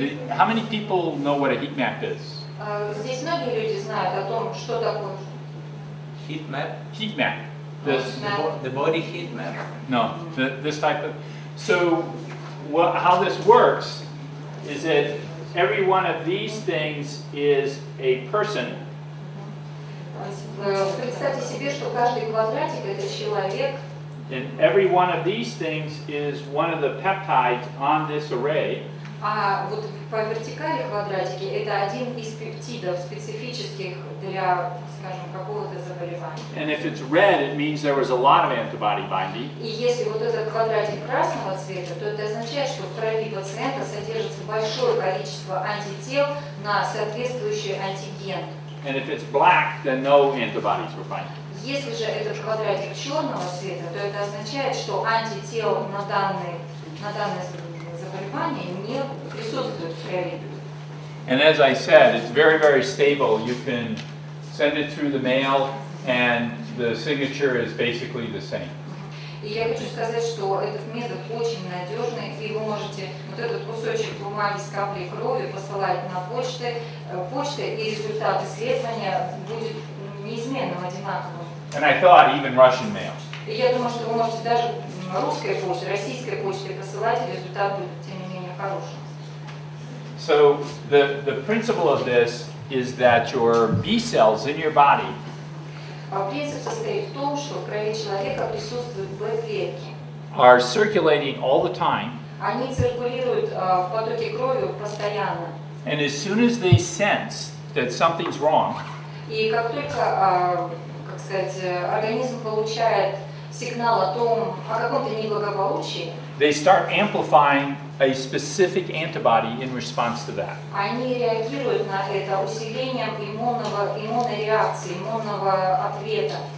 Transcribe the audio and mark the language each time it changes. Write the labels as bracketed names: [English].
[English] How many people know what a heat map is? [Russian] Здесь многие люди знают о том, что такое [English] heat map. Heat map. The body heat map. No, this type of. So, how this works is that every one of these things is a person. [Russian] Представьте себе, что каждый квадратик – это человек. [English] And every one of these things is one of the peptides on this array. [Russian] А вот по вертикали квадратики – это один из пептидов, специфических для, скажем, какого-то заболевания. [English] And if it's red, it means there was a lot of antibody binding. [Russian] И если вот этот квадратик красного цвета, то это означает, что в крови пациента содержится большое количество антител на соответствующий антиген. [English] And if it's black, then no antibodies were found. [Russian] Если же этот квадратик черного цвета, то это означает, что антител на данное заболевание не присутствует в крови. [English] And as I said, it's very, very stable. You can send it through the mail, and the signature is basically the same. [Russian] И я хочу сказать, что этот метод очень надежный, и вы можете вот этот кусочек бумаги с каплей крови посылать на почту, и результат исследования будет неизменным, одинаковым. [English] And I thought even Russian mail. [Russian] И я думаю, что вы можете даже русской почтой, российской почтой посылать, и результат будет, тем не менее, хорошим. [English] So, the principle of this is that your B cells in your body. [Russian] Принцип состоит в том, что в крови человека присутствуют B-клетки. [English] Are circulating all the time. [Russian] Они циркулируют в потоке крови постоянно. [English] And as soon as they sense that something's wrong. [Russian] И как только, как сказать, организм получает сигнал о том, о каком-то неблагополучии. [English] They start amplifying a specific antibody in response to that. [Russian] Они реагируют на это усилением иммунной реакции, иммунного ответа.